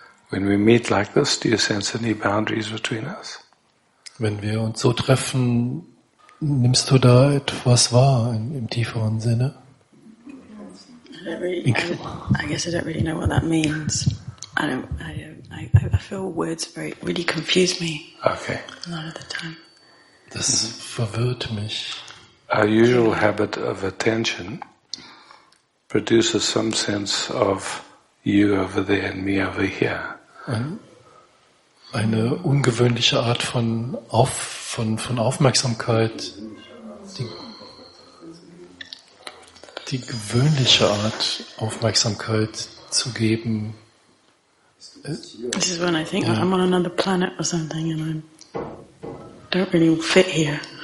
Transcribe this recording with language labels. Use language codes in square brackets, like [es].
[en] When we meet like this, do you sense any boundaries between us? [de] Wenn wir uns so treffen, nimmst du da etwas wahr im tieferen Sinne? [en] I guess I don't really know what that means. I feel words very really confuse me. Okay. A lot of the time. [de] Das verwirrt mich. [en] Our usual habit of attention produces some sense of you over there and me over here. [de] Eine ungewöhnliche Art von Aufmerksamkeit, die gewöhnliche Art Aufmerksamkeit zu geben. [en] This is when I think I'm on another planet or something and I don't really fit here.